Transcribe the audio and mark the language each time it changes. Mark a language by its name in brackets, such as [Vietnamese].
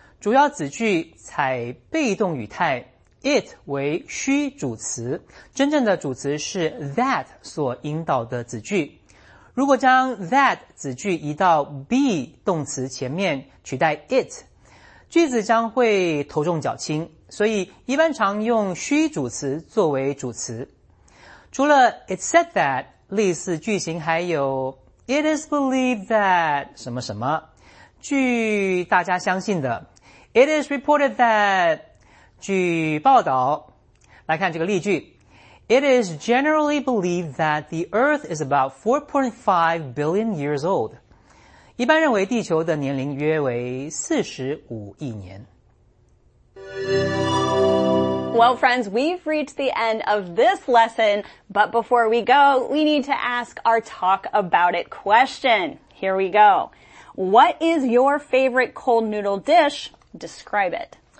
[Chinese] 主要子句采被动语态 ，it 为虚主词，真正的主词是 that 所引导的子句。如果将 that 子句移到 be 动词前面取代 it， 句子将会头重脚轻，所以一般常用虚主词作为主词。除了 it's said that， 类似句型还有 [English] it is believed that [Chinese] 什么什么，据大家相信的 [English] it is reported that， [Chinese] 据报道。来看这个例句， [English] It is generally believed that the Earth is about 4.5 billion years old. [Chinese] 一般认为地球的年龄约为45亿年。 [English] Well, friends, we've reached the end of this lesson, but before we go, we need to ask our talk about it question. Here we go. What is your favorite cold noodle dish? Describe it.